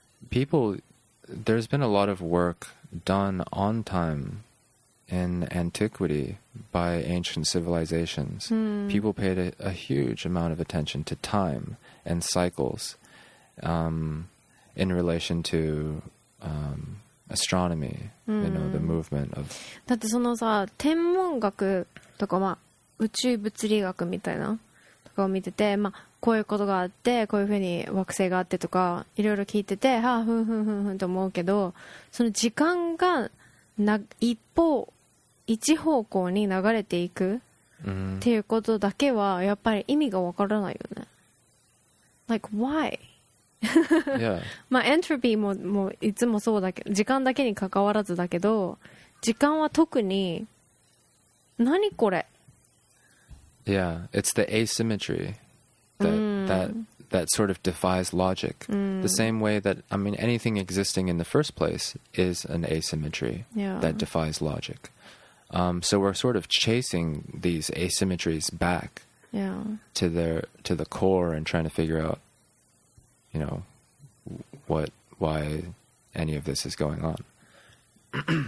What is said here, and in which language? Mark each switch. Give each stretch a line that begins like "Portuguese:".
English: People, there's been a lot of work done on time in antiquity by ancient civilizations. People paid a huge amount of attention to time and cycles in relation to astronomy, you know, the movement of...
Japanese: だってそのさ、天文学とか、まあ、宇宙物理学みたいなとかを見てて、まあ、こういうことがあって、こういうふうに惑星があってとか、いろいろ聞いてて、はあ、ふんふんふんふんと思うけど、その時間がな一方、一方向に流れていくっていうことだけは、やっぱり意味がわからないよね。
English: Like, why? yeah.
Japanese: まあエントロピーももういつもそうだけど時間だけに関わらずだけど時間は特に何これ。
English: Yeah, it's the asymmetry that sort of defies logic. The same way that, I mean, anything existing in the first place is an asymmetry that defies logic. So we're sort of chasing these asymmetries back to the core and trying to figure outYou know, why any of this is going on.